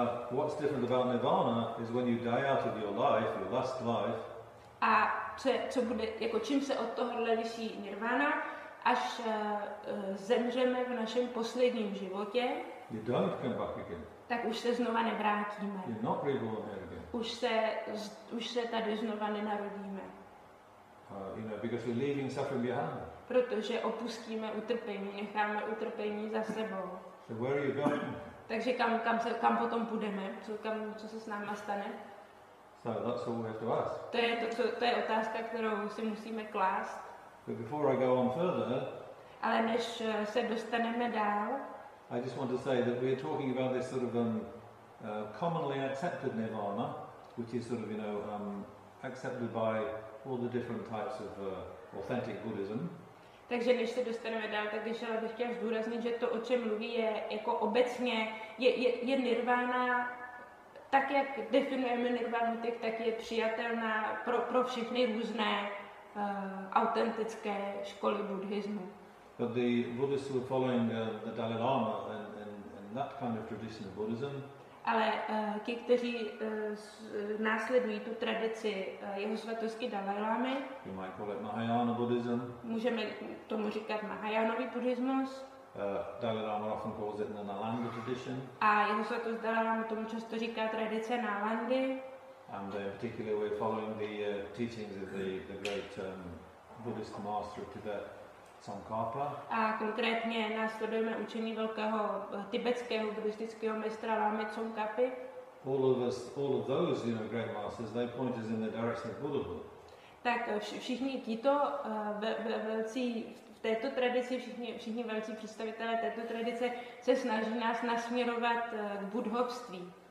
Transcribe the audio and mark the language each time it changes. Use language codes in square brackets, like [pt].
[en] What's different about nirvana is when you die out of your life, your last life. [cs] A co bude, jako čím se od tohohle liší nirvana? Až zemřeme v našem posledním životě, [en] you don't come back again. [cs] Tak už se znova nevrátíme. [en] You're not reborn here again. [cs] Už se tady znova nenarodíme. [en] You know, because we're leaving suffering behind. [cs] Protože opustíme utrpení, necháme utrpení za sebou. [en] So where are you going? [cs] Takže kam potom půjdeme? Co se s náma stane? [en] So that's what we have to ask. [cs] To je otázka, kterou si musíme klást. [en] But before I go on further, [cs] ale než se dostaneme dál, [en] I just want to say that we are talking about this sort of commonly accepted nirvana, which is sort of, you know, accepted by all the different types of authentic Buddhism. [cs] Takže než se dostaneme dál, tak bych chtěl zdůraznit, že to, o čem mluví, je jako obecně je nirvana. Tak jak definujeme nirvanu, tak je přijatelná pro všechny různé autentické školy buddhismu. [en] But the Buddhists were following the Dalai Lama and that kind of tradition of Buddhism. [cs] Ale ti, kteří následují tu tradici jeho svatosti Dalai Lamy, [en] you might call it Mahayana Buddhism. [cs] Můžeme tomu říkat Mahayanový buddhismus. [en] Dalai Lama often calls it the Nalanda tradition. [cs] A jeho svatost Dalai Lama tomu často říká tradice Nalandy. [en] And in particular, we're following the teachings of the great Buddhist master of Tibet, Tsongkhapa. [cs] A konkrétně následujeme učení velkého tibetského buddhistického mistra Lamy Tsongkhapy. [en] All of those, you know, great masters, they point us in the direction of Buddhahood. [cs] Tak všichni tito velcí v této tradici, všichni velcí představitelé této tradice se snaží nás nasměrovat k buddhovství.